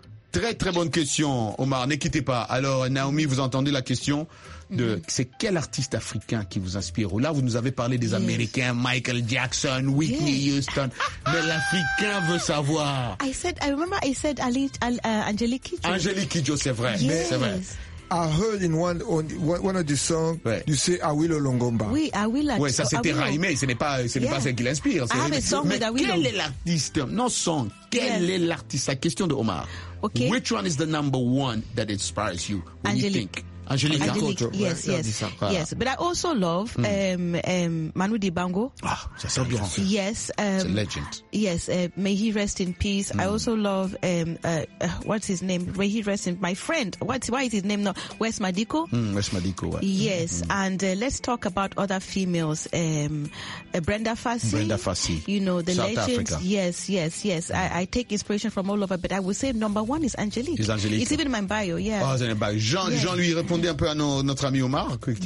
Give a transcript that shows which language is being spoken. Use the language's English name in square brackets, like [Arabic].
[French] Très très bonne question, Omar, ne quittez pas. Alors Naomi, vous entendez la question de c'est quel artiste africain qui vous inspire? Là, vous nous avez parlé des Américains, Michael Jackson, Whitney Houston, mais l'Africain veut savoir. [English] I remember I said Angelique [French] Kidjo, c'est vrai. [English] Yes. [French] C'est vrai. [English] I heard in one of the songs, you say Awilo Longomba. [French] Oui, Awilo. Ouais, ça c'était Raimé, ce n'est pas celle qui l'inspire. [English] Ah, mais song with Awilo. [French] Quel est l'artiste? Non, song. Quel est l'artiste? La question de Omar. [English] Okay. Which one is the number one that inspires you? When Angelique. You think? Angelique. Yes, yes. Yes, but I also love Manu Dibango. [French] Ah, ça sent bien. [English] Yes. It's a legend. Yes, may he rest in peace. Mm. I also love, what's his name? May he rest in my friend. Why is his name not? Wes Madiko. Wes Madiko. Yes, and let's talk about other females. Brenda Fassie. Brenda Fassie. You know, the South legend. Africa. Yes, yes, yes. I take inspiration from all over, but I would say number one is Angelique. It's Angelique. It's even in my bio, yeah. [French] Oh, c'est bio. Jean lui répondait un peu à notre ami Omar.